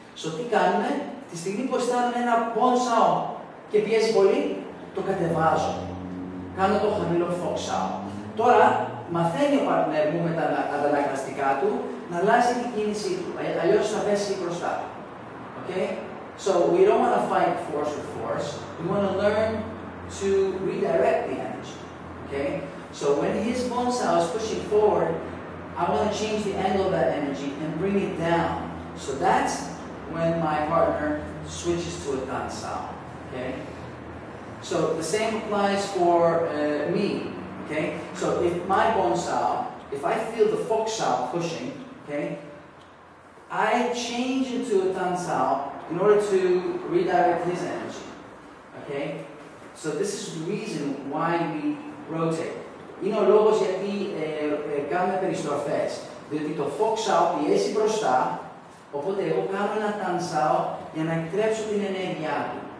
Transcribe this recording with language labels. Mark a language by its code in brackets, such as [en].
[el] Στο τι κάνουμε, τη στιγμή που αισθάνομαι ένα bon sao και πιέζει πολύ, το κατεβάζω. Κάνω το χαμηλό fox sao. Τώρα μαθαίνει ο παρτνέρ μου με τα ανταλλακτικά του να αλλάζει την κίνησή του. Αλλιώς θα πέσει μπροστά. [en] Okay? So we don't want to fight force with force. We want to learn to redirect the energy. Okay? So when his bon sao is pushing forward, I want to change the angle of that energy and bring it down. So that's when my partner switches to a dan sao. Okay? So the same applies for me. Okay? So if my bon sao, if I feel the fox sao pushing, okay, I change into a dan sao in order to redirect his energy. Okay? So this is the reason why we rotate. [el] Είναι ο λόγος γιατί κάνουμε περιστροφές. Διότι το fox sao πιέζει μπροστά, οπότε εγώ κάνω ένα tan sao για να εκτρέψω την ενέργειά του.